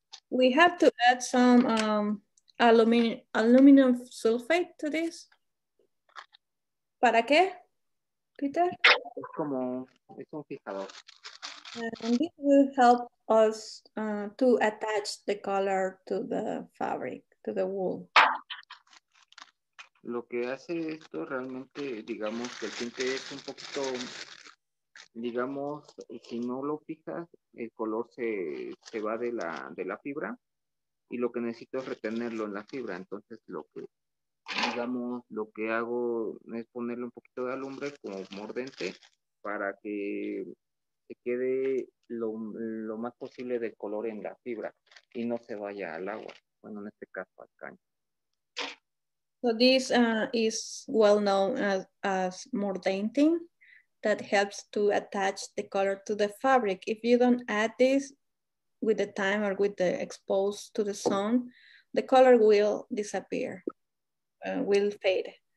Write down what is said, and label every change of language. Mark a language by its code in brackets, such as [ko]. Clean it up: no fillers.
[en] We have to add some aluminum sulfate to this. [es] ¿Para qué, Peter? Es como es un fijador. [en] And this will help us to attach the color to the fabric, to the wool. [es] Lo que hace esto realmente, digamos, que el tinte es un poquito, digamos, si no lo fijas, el color se va de la fibra y lo que necesito es retenerlo en la fibra. Entonces, lo que, digamos, lo que hago es ponerle un poquito de alumbre como mordente para que se quede lo más posible de color en la fibra y no se vaya al agua, bueno, en este caso al caño. [en] So this is well known as mordanting that helps to attach the color to the fabric. If you don't add this with the time or with the exposed to the sun, the color will disappear, will fade.